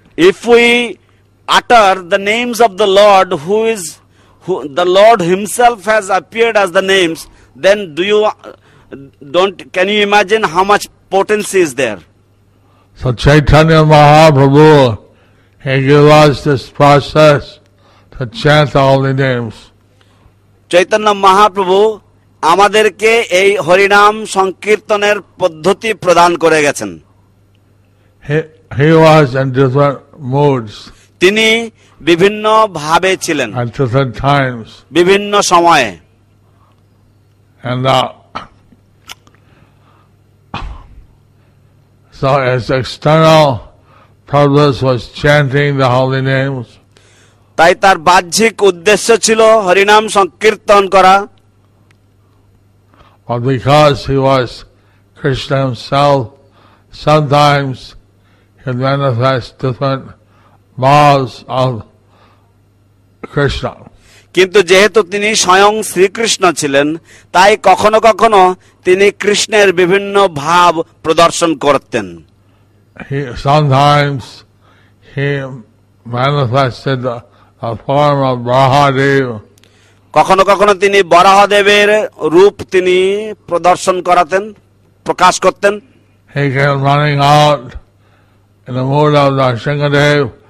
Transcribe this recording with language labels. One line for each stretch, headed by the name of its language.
English: If we utter the names of the Lord, the Lord himself has appeared as the names, then can you imagine how much potency is there? So Chaitanya Mahaprabhu, he gave us this process to chant all the names.
Bangla: Chaitanya Mahaprabhu আমাদেরকে এই হরিনাম সংকীর্তনের পদ্ধতি প্রদান করে গেছেন.
English: He was in different moods.
Bangla: তিনি বিভিন্ন ভাবে ছিলেন.
English: At different times.
Bangla: বিভিন্ন সময়ে.
English: And so as external purpose was chanting the holy names.
Bangla: তাই তার বাহ্যিক উদ্দেশ্য ছিল হরিনাম সংকীর্তন করা.
English: But because he was Krishna himself, sometimes he manifests different modes of Krishna.
Bangla: কিন্তু যেহেতু তিনি স্বয়ং শ্রীকৃষ্ণ ছিলেন, তাই কখনো কখনো তিনি কৃষ্ণের বিভিন্ন ভাব প্রদর্শন করতেন।
English: Sometimes he manifested a form of Brahadev.
Bangla: কখনো কখনো তিনি বরাহদেবের রূপ তিনি প্রদর্শন করাতেন, প্রকাশ করতেন।
English: He came running out in the mood of Narsingadev.